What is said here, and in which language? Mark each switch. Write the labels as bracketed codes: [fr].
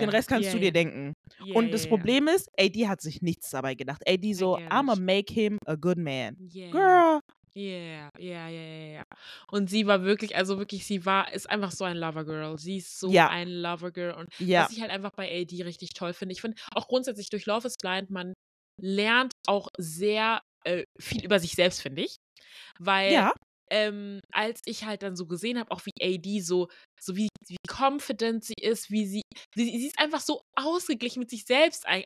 [de] Den Rest kannst du dir denken. Yeah, und das Problem ist, AD hat sich nichts dabei gedacht. [en] AD so, I'ma make him a good man. Yeah. Girl. Yeah. [de] Und sie war wirklich, also wirklich, ist einfach so ein Lovergirl. Sie ist so ein Lovergirl. Und was ich halt einfach bei AD richtig toll finde. Ich finde auch grundsätzlich durch Love is Blind, man lernt auch sehr viel über sich selbst, finde ich. Weil als ich halt dann so gesehen habe, auch wie AD so wie confident sie ist, sie ist einfach so ausgeglichen mit sich selbst eigentlich.